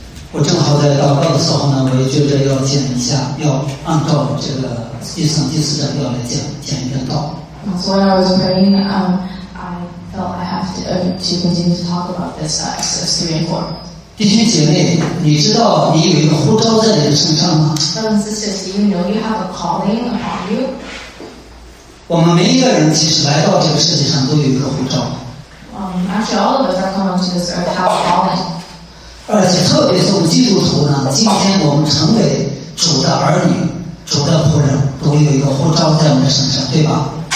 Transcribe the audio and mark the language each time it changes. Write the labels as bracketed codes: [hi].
[zh] 我正好在祷告的时候呢，我也觉得要讲一下，要按照这个第三、第四章要来讲一个道。 [en] So when I was praying, I felt I have to continue to talk about this Exodus 3 and 4. [zh] 弟兄姐妹，你知道你有一个呼召在你的身上吗？ [en] You know you have a calling upon you? [zh] 我们每一个人其实来到这个世界上都有一个呼召。 [en] Actually, all of us are coming to this earth have a calling. [zh] 而且特别是我们基督徒呢，今天我们成为主的儿女、主的仆人，都有一个呼召在我们的身上，对吧？